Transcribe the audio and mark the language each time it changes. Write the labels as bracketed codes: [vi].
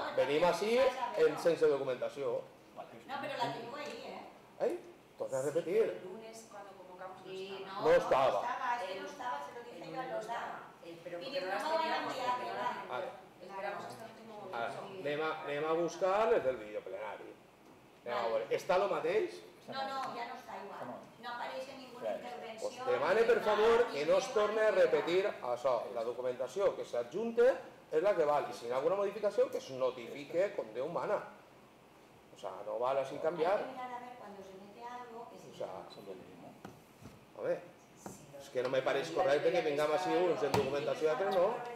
[ca] venim així sense documentació. [es] No, pero la tengo ahí, ¿eh? ¿Ahí? Entonces, a repetir. El lunes, cuando convocamos, no estaba. No estaba. No estaba, se lo dije yo a los dos. Pero no van a enviar, ¿verdad? Esperamos hasta el último [ca] momento. Anem a buscar des del vídeo plenari. ¿Está lo mateix? [es] No, ya no está igual. No aparece ninguna intervención. [ca] Os demane, per favor, que no es torne a repetir això. La documentació que s'adjunte és la que val. I si hi ha alguna modificació, que es notifique com Déu mana. O sea, no val així canviar. [es] Hay que mirar a ver cuando se mete algo. O sea, son del mismo. A ver, es que no me parece correcto que vengamos así unos en documentación y otros no.